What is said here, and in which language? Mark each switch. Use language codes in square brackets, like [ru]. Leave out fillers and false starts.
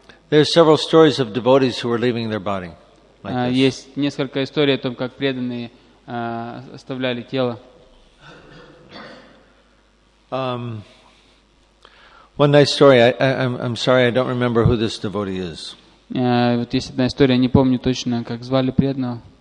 [en] There are several stories of devotees who are leaving their body. [ru] Есть несколько историй о том, как преданные оставляли тело. [en] One nice story. I'm sorry, I don't remember who this devotee is. [ru] Вот есть одна история, не помню точно, как звали преданного.